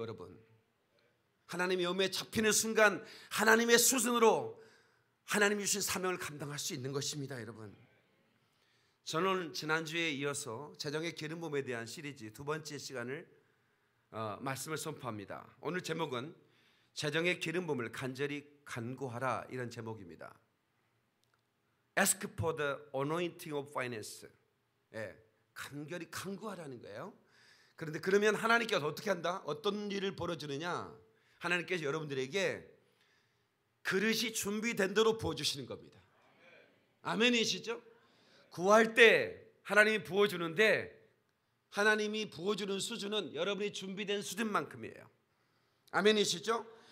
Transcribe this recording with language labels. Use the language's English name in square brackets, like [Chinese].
[Korean] 여러분 하나님의 은혜에 잡히는 순간 하나님의 수준으로 하나님이 주신 사명을 감당할 수 있는 것입니다. 여러분 저는 지난주에 이어서 재정의 기름부음에 대한 시리즈 두 번째 시간을 말씀을 선포합니다. 오늘 제목은 재정의 기름부음을 간절히 간구하라 이런 제목입니다. [English] Ask for the anointing of finance. [Korean] 예, 간절히 간구하라는 거예요. 그런데 그러면 하나님께서 어떻게 한다? 어떤 일을 벌어주느냐? 하나님께서 여러분들에게 그릇이 준비된 대로 부어주시는 겁니다. 아멘이시죠? 구할 때 하나님이 부어주는데 하나님이 부어주는 수준은 여러분이 준비된 수준만큼이에요. 아멘이시죠?